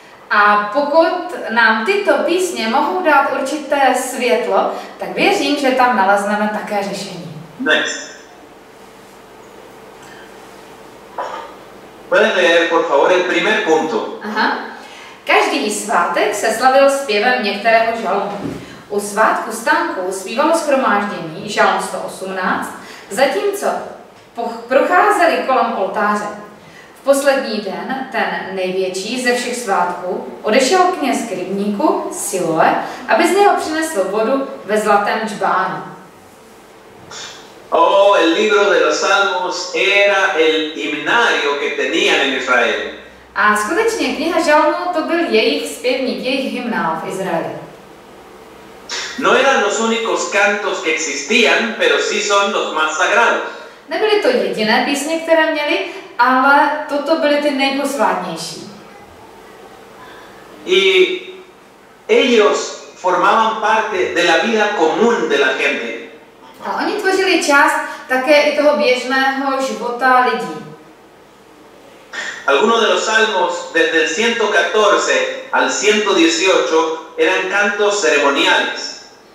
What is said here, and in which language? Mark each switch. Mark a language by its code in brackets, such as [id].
[cs] A pokud nám tyto písně mohou dát určité světlo, tak věřím, že tam nalezneme také řešení. [en] Next. [es] Pueden leer, por favor, el primer punto. Aha. [cs] Každý svátek se slavil zpěvem některého žalmu. U svátku stánku zpívalo shromáždění žalm 118, zatímco procházeli kolem oltáře. V poslední den, ten největší ze všech svátků, odešel kněz k rybníku Siloe, aby z něho přinesl vodu ve zlatém džbánu. [es] Oh, el libro de los salmos era el himnario que tenían en Israel. [cs] A skutečně kniha žalmů to byl jejich zpěvník, jejich hymnál v Izraeli. [es] No eran los únicos cantos que existían, pero sí son los más sagrados. [cs] Nebyly to jediné písně, které měli, ale toto byly ty nejposvátnější. [es] y ellos formaban parte de la vida común de la gente. [cs] A oni tvořili část také i toho běžného života lidí. [es] Algunos de los salmos desde el 114 al 118 eran cantos ceremoniales.